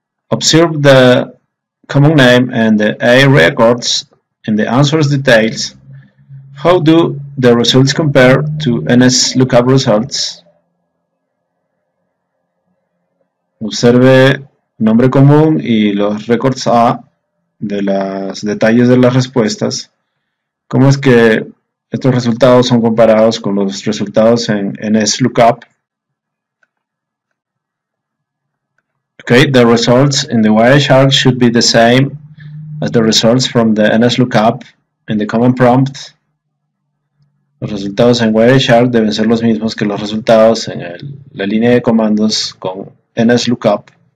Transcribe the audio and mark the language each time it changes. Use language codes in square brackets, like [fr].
[en] Observe the common name and the A records in the answers details. How do the results compare to NS lookup results? [es] Observe nombre común y los records A de los detalles de las respuestas. ¿Cómo es que estos resultados son comparados con los resultados en NS Lookup? [en] Okay, the results in the Wireshark should be the same as the results from the NS Lookup in the command prompt. [es] Los resultados en Wireshark deben ser los mismos que los resultados en la línea de comandos con NS Lookup.